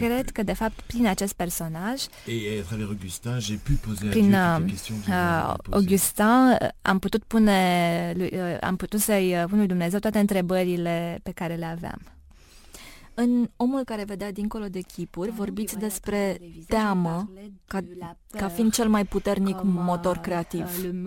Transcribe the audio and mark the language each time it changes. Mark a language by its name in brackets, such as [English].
[Romanian] Cred că de fapt prin acest personaj. [French] Et à travers Augustin, j'ai pu poser la question. [Romanian] Augustin, am putut să-i pun lui Dumnezeu toate întrebările pe care le aveam. În Omul care vedea dincolo de chipuri, vorbiți despre teamă ca, ca fiind cel mai puternic motor creativ.